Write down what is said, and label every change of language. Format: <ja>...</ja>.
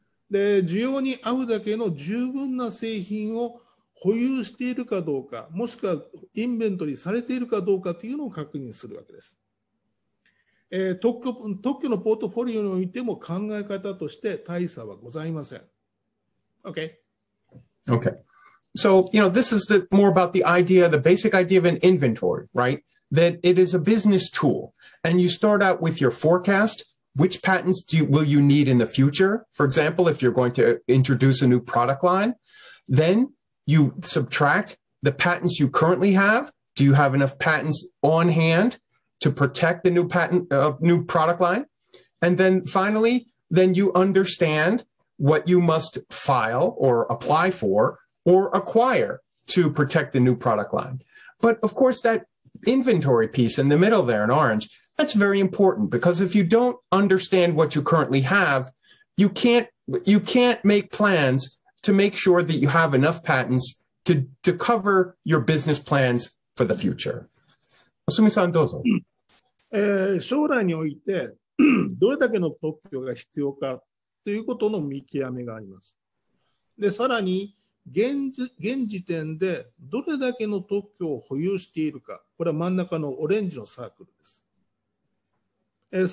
<ja>で、需要に合うだけの十分な製品を保有しているかどうか、もしくはインベントリーされているかどうかというのを確認するわけです。特許のポートフォリオにおいても考え方として大差はございません。</ja> <en>OK? Okay. So, you know, this is more about the idea, the basic idea of an inventory, right? That it is a business tool. And you start out with your forecast. Which patents will you need in the future? For example, if you're going to introduce a new product line, Then you subtract the patents you currently have. Do you have enough patents on hand to protect the new patent, new product line? And then finally, then you understand what you must file or apply for or acquire to protect the new product line. But of course, that inventory piece in the middle there in orange, that's very important, because if you don't understand what you currently have, you can't make plans to make sure that you have enough patents to cover your business plans for the future.</en> <ja>Osumi-san, dozo. 将来においてどれだけの特許が必要かということの見極めがあります。で、さらに現時点でどれだけの特許を保有しているか、これは真ん中のオレンジのサークルです。</ja>